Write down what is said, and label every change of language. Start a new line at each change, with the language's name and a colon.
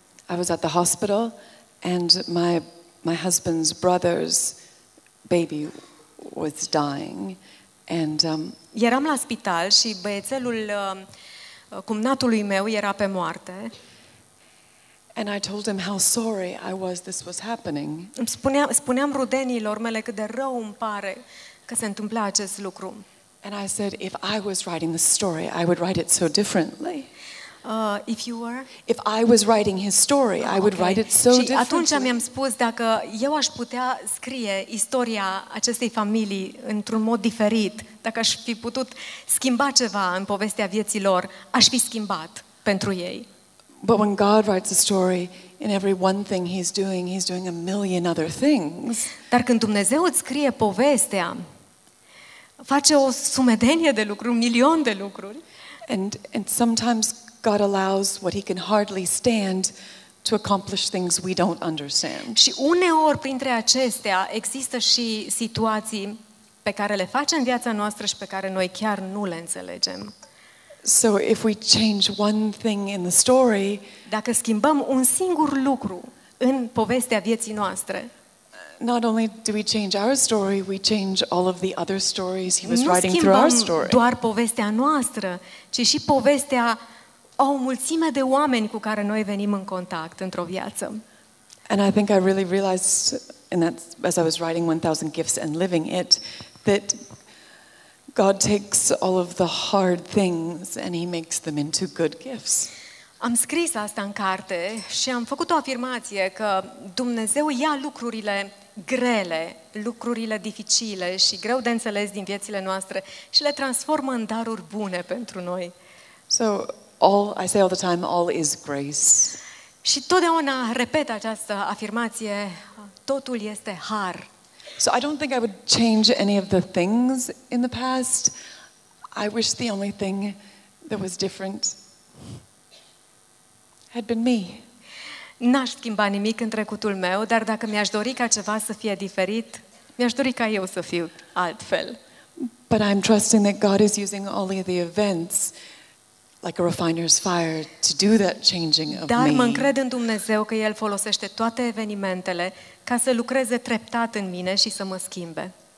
English: I was at the hospital and my husband's brother's baby was dying. And
Romanian: eram la spital și băiețelul cumnatului meu era pe moarte.
English: And I told him how sorry I was this was happening.
Romanian: Spuneam rudenilor mele cât de rău îmi pare că se întâmpla acest lucru.
English: And I said if I was writing the story, I would write it so differently. If you were, if I was writing his story, I would write it so differently.
Romanian: Și atunci mi-am spus dacă eu aș putea scrie istoria acestei familii într-un mod diferit, dacă aș fi putut schimba ceva în povestea vieții lor, aș fi schimbat pentru ei.
English: But when God writes a story, in every one thing he's doing a million other things.
Romanian: Dar când Dumnezeu îți scrie povestea, face o sumedenie de lucruri, un milion de lucruri.
English: And sometimes God allows what he can hardly stand to accomplish things we don't understand.
Romanian: Și uneori printre acestea există și situații pe care le face în viața noastră și pe care noi chiar nu le înțelegem.
English: So if we change one thing in the story,
Romanian: dacă schimbăm un singur lucru în povestea vieții noastre,
English: not only do we change our story, we change all of the other stories he was writing through our story.
Romanian: Nu doar povestea noastră, ci și povestea o mulțime de oameni cu care noi venim în contact într-o viață.
English: And I think I really realized in that as I was writing 1000 Gifts and Living It that God takes all of the hard things and he makes them into good gifts.
Romanian: Am scris asta în carte și am făcut o afirmație că Dumnezeu ia lucrurile grele, lucrurile dificile și greu de înțeles din viețile noastre și le transformă în daruri bune pentru noi.
English: So all I say all the time, all is grace.
Romanian: Și totdeauna repet această afirmație, totul este har.
English: So I don't think I would change any of the things in the past. I wish the only thing that was different had been me.
Romanian: N-aș schimba nimic în trecutul meu, dar dacă mi-aș dori ca ceva să fie diferit, mi-aș dori ca eu să fiu altfel.
English: But I'm trusting that God is using only the events like a refiner's fire to do that changing of me.
Romanian: Dar mă încred în Dumnezeu că el folosește toate evenimentele ca să lucreze treptat în mine și să mă schimbe.